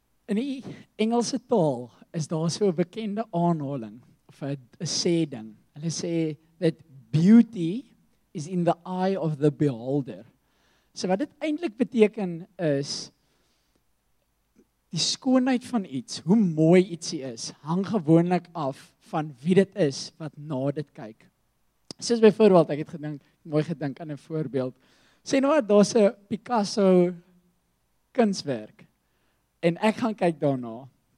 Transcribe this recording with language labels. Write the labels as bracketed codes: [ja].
[af] In die Engelse taal is daar so 'n bekende aanhaling of 'n sê ding. Hulle sê [en] that beauty is in the eye of the beholder. [af] So wat dit eintlik beteken is die skoonheid van iets, hoe mooi ietsie is, hang gewoonlik af van wie dit is wat na dit kyk. Soos byvoorbeeld, ek het mooi gedink aan 'n voorbeeld. Sê nou dat daar 'n Picasso kunswerk en ek gaan kyk daarna.